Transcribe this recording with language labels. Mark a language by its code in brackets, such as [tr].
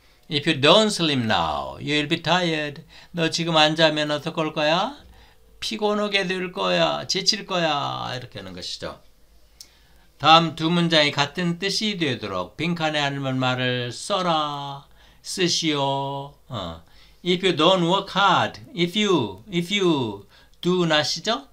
[en] If you don't sleep now, you'll be tired. [ko] 너 지금 안 자면 어떡할 거야? 피곤하게 될 거야. 지칠 거야. 이렇게 하는 것이죠. 다음 두 문장이 같은 뜻이 되도록 빈칸에 앉은 말을 써라. 쓰시오. [en] If you don't work hard, if you do not이죠?